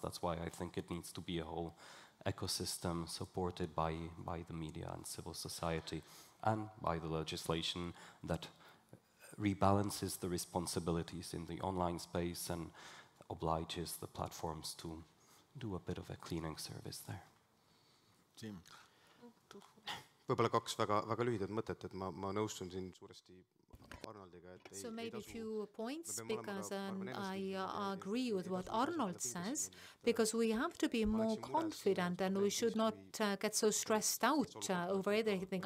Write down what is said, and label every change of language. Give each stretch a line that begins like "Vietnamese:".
English: That's why I think it needs to be a whole ecosystem supported by the media and civil society and by the legislation that rebalances the responsibilities in the online space and obliges the platforms to do a bit of a cleaning service there. Siim.
Estonian: Võib-olla kaks väga lühidat mõtet, et ma nõustun siin suuresti Arnoldiga, et
English: so maybe a few points, because I agree with what Arnold says, because we have to be more confident and we should not get so stressed out over everything.